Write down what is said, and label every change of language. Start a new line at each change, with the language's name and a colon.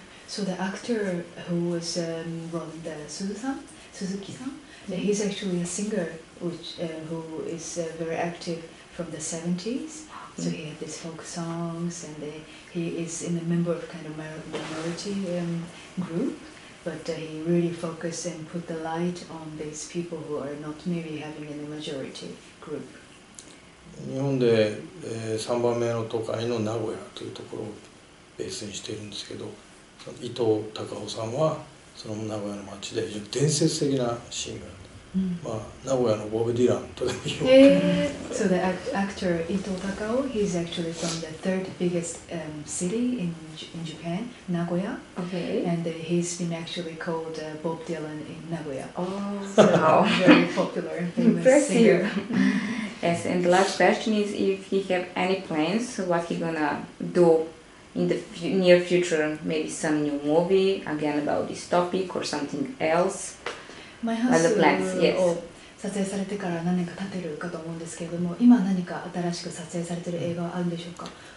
English: So the actor who was from the Suzuki-san, he's actually a singer which, who is very active from the 70s. So he had these folk songs and he is in a member of kind of minority group. But he really focused and put the light on these people who are not maybe having any majority. Group.
Japanese: 日本で、3番目の都会の名古屋というところをベースにしているんですけど伊藤隆夫さんはその名古屋の街で伝説的なシンガー、まあ、名古屋のボブ・ディランとでも言おう
English: So the actor 伊藤隆夫 he's actually from the third biggest city in Japan, Nagoya. Okay. And he's been actually called Bob Dylan in Nagoya. Oh, so very popular famous singer. Yes, and the last question is if he have any plans, what he gonna do in the near future, maybe some new movie, again about this topic or something else? My husband, yes.
Japanese: 撮影されてから何年か経てるかと思うんですけれども、今何か新しく撮影されてる映画はあるんでしょうか。